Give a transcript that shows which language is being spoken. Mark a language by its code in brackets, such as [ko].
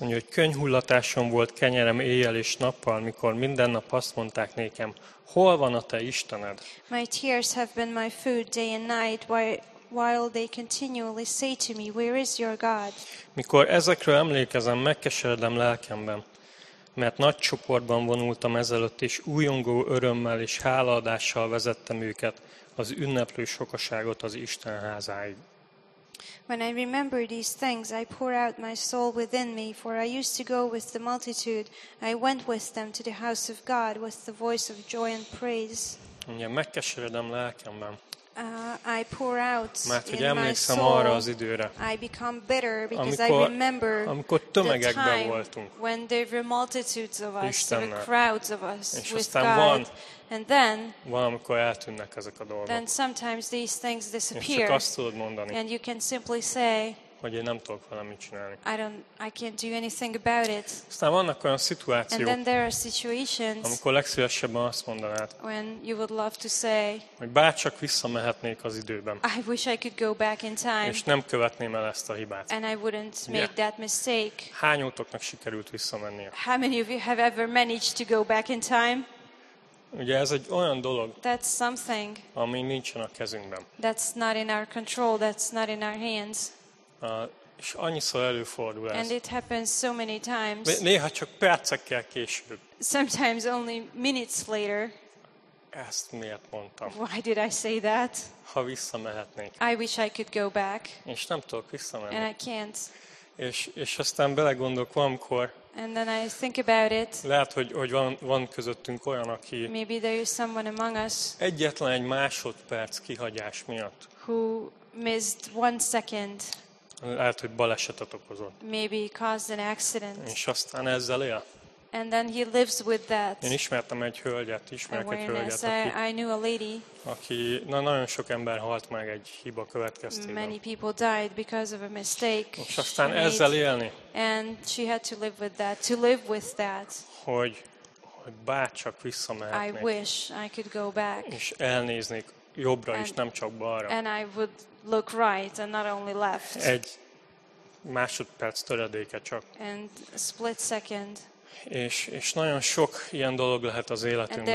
[hu] mondja, hogy könyhullatásom volt kenyerem éjjel és nappal, mikor minden nap azt mondták nékem, hol van a te Istened? [en] My tears have been my food day and night, while they continually say to me, where is your God? [hu] Mikor ezekről emlékezem, megkeseredem lelkemben. Mert nagy csoportban vonultam ezelőtt, és újongó örömmel és hálaadással vezettem őket az ünneplő sokaságot az Isten házáig. [en] When I remember these things, I pour out my soul within me, for I used to go with the multitude. I went with them to the house of God with the voice of joy and praise. [hu] Igen, megkeseredem lelkemben. [en] I pour out [hu] mert, hogy [en] in my soul, [hu] arra az időre, [en] I become bitter because [hu] amikor, [en] I remember the time [hu] voltunk, [en] when there were multitudes of us, there were crowds of us with God. [hu] Van, [en] and then, [hu] valamikor eltűnnek ezek a dolgok. [en] Then sometimes these things disappear. [hu] És csak azt tudod mondani, [en] and you can simply say, [hu] hogy én nem tudok valamit csinálni. [en] I can't do anything about it. [hu] Aztán vannak olyan szituációk, [en] and then there are situations, [hu] amikor legszívesebben azt mondanád, [en] when you would love to say, [hu] hogy bárcsak visszamehetnék az időben, [en] I wish I could go back in time, [hu] és nem követném el ezt a hibát. [en] And I wouldn't make that mistake. [hu] Hányótoknak sikerült visszamennie? [en] How many of you have ever managed to go back in time? [hu] Ugye ez egy olyan dolog, [en] that's something, [hu] ami nincsen a kezünkben. [en] That's not in our control, that's not in our hands. [hu] És annyiszor előfordul ez. [en] And it happens so many times. [hu] Néha csak percekkel később. [en] Sometimes only minutes later. [hu] Ezt miért mondtam? [en] Why did I say that? [hu] Ha visszamehetnék. [en] I wish I could go back. [hu] És nem tudok visszamenni. [en] And I can't. [hu] És aztán belegondolok valamikor. [en] And then I think about it. [hu] Lehet, hogy van közöttünk olyan, aki [en] maybe there is someone among us. [hu] Egyetlen egy másodperc kihagyás miatt. [en] Who missed one second. [hu] Lehet, hogy balesetet okozott. [en] Maybe he caused an accident. [hu] És aztán ezzel él. [en] And then he lives with that. [hu] Én ismertem egy hölgyet, [en] I knew a lady. [hu] Aki na, nagyon sok ember halt meg egy hiba következtében. [en] Many people died because of a mistake. [hu] És aztán ezzel élni. [en] And she had to live with that. To live with that. [hu] Hogy bárcsak visszamehetnék. [en] I wish I could go back. [hu] És elnéznék jobbra is, nem csak balra. [en] And I would look right and not only left. [hu] Egy másodperc töredéke csak. [en] And split second. [hu] És nagyon sok ilyen dolog lehet az életünkben.